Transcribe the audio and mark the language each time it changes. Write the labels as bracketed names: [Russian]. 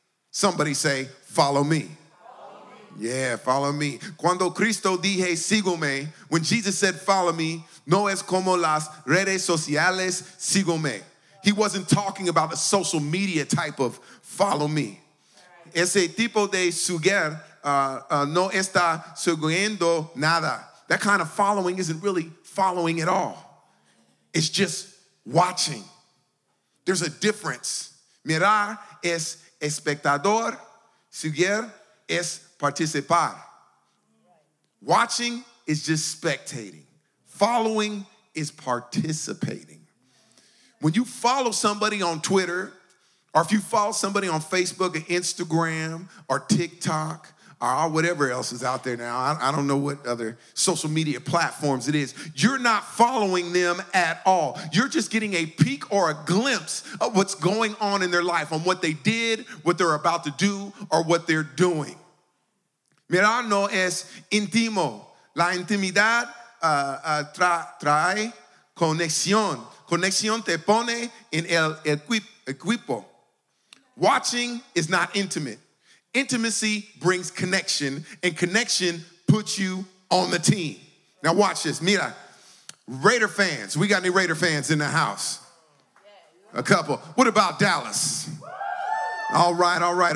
[English] Somebody say, follow me. Follow me. Yeah, follow me. [Spanish] Cuando Cristo dije, sígueme, when Jesus said, follow me, no es como las redes sociales, sígueme. [English] He wasn't talking about the social media type of follow me. [Spanish] Ese tipo de seguir no está siguiendo nada. [English] That kind of following isn't really following at all. It's just watching. There's a difference. [Spanish] Mirar es espectador. Seguir es participar. [English] Watching is just spectating. Following is participating. When you follow somebody on Twitter, or if you follow somebody on Facebook or Instagram or TikTok or whatever else is out there now, I don't know what other social media platforms it is, you're not following them at all. You're just getting a peek or a glimpse of what's going on in their life, on what they did, what they're about to do, or what they're doing. [Spanish] Mirar no es intimo. La intimidad trae conexión. Conexión te pone en el equipo. [English] Watching is not intimate. Intimacy brings connection, and connection puts you on the team. Now watch this. Mira, Raider fans. We got any Raider fans in the house? A couple. What about Dallas? All right.